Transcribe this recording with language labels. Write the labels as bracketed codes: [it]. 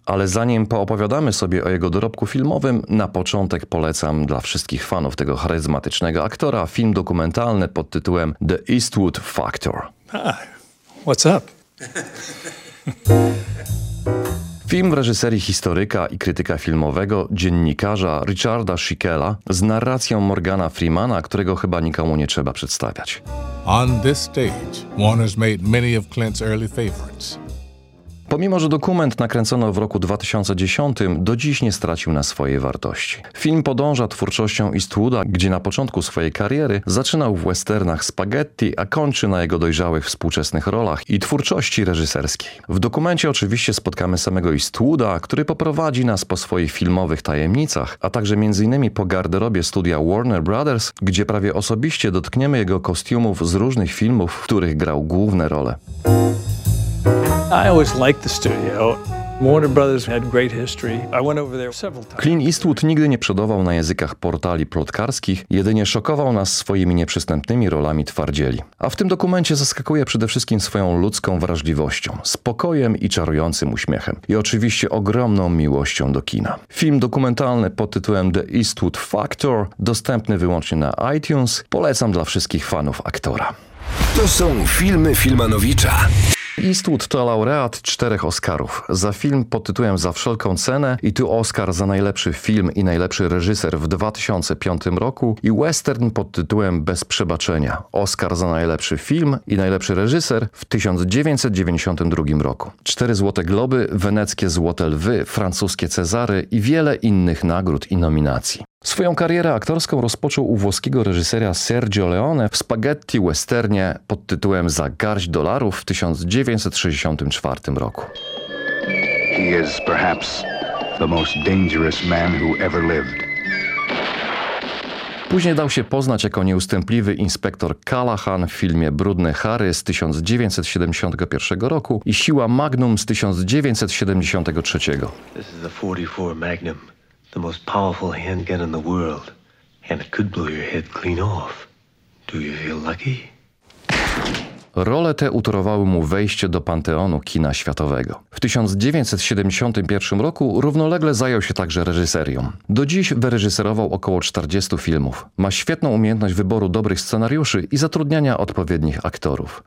[pl] Ale zanim poopowiadamy sobie o jego dorobku filmowym, na początek polecam dla wszystkich fanów tego charyzmatycznego aktora film dokumentalny pod tytułem The Eastwood Factor. [en] Hi, what's up? [pl] Film w reżyserii historyka i krytyka filmowego, dziennikarza Richarda Schickela, z narracją Morgana Freemana, którego chyba nikomu nie trzeba przedstawiać. [en] On this stage, one has made many of Clint's early favorites. [pl] Pomimo, że dokument nakręcono w roku 2010, do dziś nie stracił na swojej wartości. Film podąża twórczością Eastwooda, gdzie na początku swojej kariery zaczynał w westernach spaghetti, a kończy na jego dojrzałych współczesnych rolach i twórczości reżyserskiej. W dokumencie oczywiście spotkamy samego Eastwooda, który poprowadzi nas po swoich filmowych tajemnicach, a także m.in. po garderobie studia Warner Brothers, gdzie prawie osobiście dotkniemy jego kostiumów z różnych filmów, w których grał główne role. [en] I always liked the studio. Warner Brothers had great history. I went over there several times. [pl] Clint Eastwood nigdy nie przodował na językach portali plotkarskich, jedynie szokował nas swoimi nieprzystępnymi rolami twardzieli. A w tym dokumencie zaskakuje przede wszystkim swoją ludzką wrażliwością, spokojem i czarującym uśmiechem. I oczywiście ogromną miłością do kina. Film dokumentalny pod tytułem The Eastwood Factor, dostępny wyłącznie na iTunes, polecam dla wszystkich fanów aktora. To są filmy Filmanowicza. Eastwood to laureat 4 Oscarów. Za film pod tytułem Za wszelką cenę i tu Oscar za najlepszy film i najlepszy reżyser w 2005 roku i western pod tytułem Bez przebaczenia. Oscar za najlepszy film i najlepszy reżyser w 1992 roku. 4 Złote Globy, weneckie Złote Lwy, francuskie Cezary i wiele innych nagród i nominacji. Swoją karierę aktorską rozpoczął u włoskiego reżysera Sergio Leone w spaghetti westernie pod tytułem Za garść dolarów w 1964 roku. [en] He is perhaps the most dangerous man who ever lived. [pl] Później dał się poznać jako nieustępliwy inspektor Callahan w filmie Brudny Harry z 1971 roku i Siła Magnum z 1973. [en] This is the 44 Magnum. The most powerful handgun in the world, and it could blow your head clean off. Do you feel lucky? [pl] Role te utorowały mu wejście do panteonu kina światowego. W 1971 roku równolegle zajął się także reżyserią. Do dziś wyreżyserował około 40 filmów. Ma świetną umiejętność wyboru dobrych scenariuszy i zatrudniania odpowiednich aktorów.